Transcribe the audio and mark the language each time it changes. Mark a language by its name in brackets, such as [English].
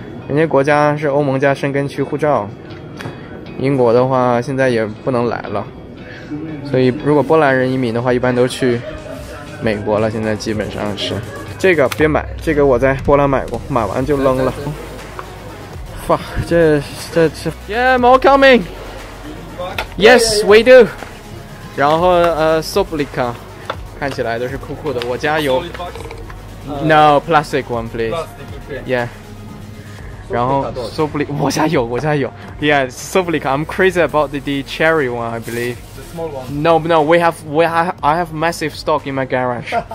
[Chinese] 人家国家是欧盟加申根区护照，英国的话现在也不能来了，所以如果波兰人移民的话一般都去美国了。现在基本上是这个别买，这个我在波兰买过，买完就扔了。 [English] 哇，这 ，Yeah, more coming. Yes, we do. [Chinese] 然后Soplica， 看起来都是酷酷的。我家有 ， [English] No plastic one, please. [Chinese] Yeah. 然后 Soplica， 我家有。 [English] Yeah, Soplica. I'm crazy about the cherry one, I believe. The small one. No, I have massive stock in my garage.